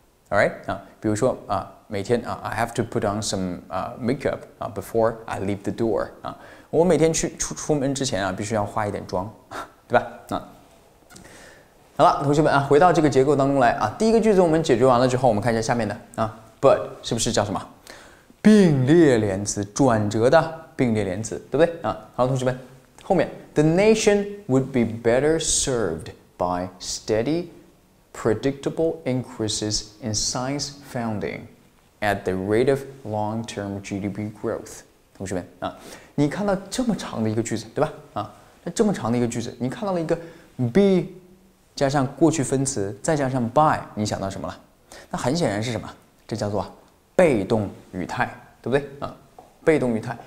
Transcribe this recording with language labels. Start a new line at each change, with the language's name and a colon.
English: All right
Chinese: 啊，比如说啊，每天啊 ，
English: I have to put on some make up
Chinese: 啊
English: before I leave the door
Chinese: 啊，我每天去出门之前啊，必须要化一点妆，对吧？啊。好了，同学们啊，回到这个结构当中来啊。第一个句子我们解决完了之后，我们看一下下面的啊 ，but 是不是叫什么并列连词？转折的并列连词，对不对啊？好，同学们，
English: 后面 the nation would be better served by steady, predictable increases in science funding at the rate of long-term GDP growth。
Chinese: 同学们啊，你看到这么长的一个句子，对吧？啊，那这么长的一个句子，你看到了一个 be。加上过去分词，再加上 by， 你想到什么了？那很显然是什么？这叫做被动语态，对不对？啊，被动语态。